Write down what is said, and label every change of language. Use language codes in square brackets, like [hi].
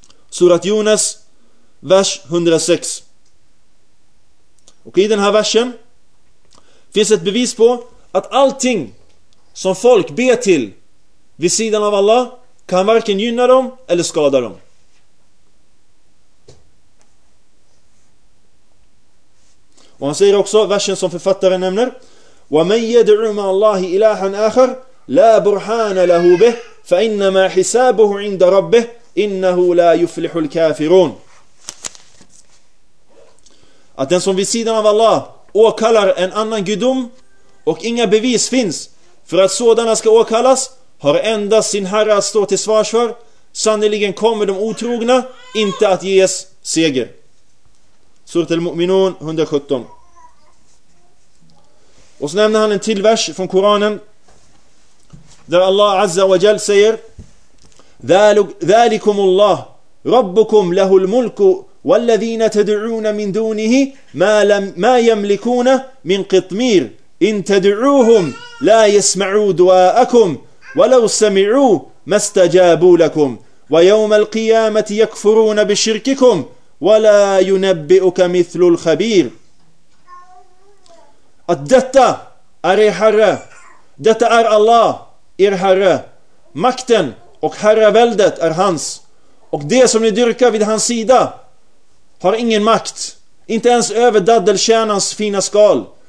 [sv] Surat Jonas, vers 106. Och i den här versen finns ett bevis på att allting som folk ber till vid sidan av Allah kan varken gynna dem eller skada dem. Och han säger också, versen som författaren nämner: [ar] وَمَنْ يَدْعُ مَا اللَّهِ إِلَٰهًا آخَرْ لا برهان له به فإنما حسابه عند ربه إنه لا يفلح الكافرون. [sv] Att den som vid sidan av Allah åkallar en annan gudom och inga bevis finns för att sådana ska åkallas, har endast sin herre att stå till svars för. Sannoliken kommer de otrogna inte att ges seger. Surat al-Mu'minun 117. Och så nämner han en till vers från Koranen där Allah Azza wa Jal säger: [ar] "Zalikum Allah rabbukum lahul mulku والذين تدعون من دونه ما يملكون من قطمير إن تدعوهم لا يسمعوا دعاءكم ولو سمعوا ما استجابوا لكم ويوم القيامة يكفرون بشرككم ولا ينبئك مثل الخبير. [sv] Detta är er herre, detta är Allah, er herre. Makten och herraväldet är hans, och det som ni dyrkar vid hans sida har ingen makt, inte ens över daddelkärnans fina skal.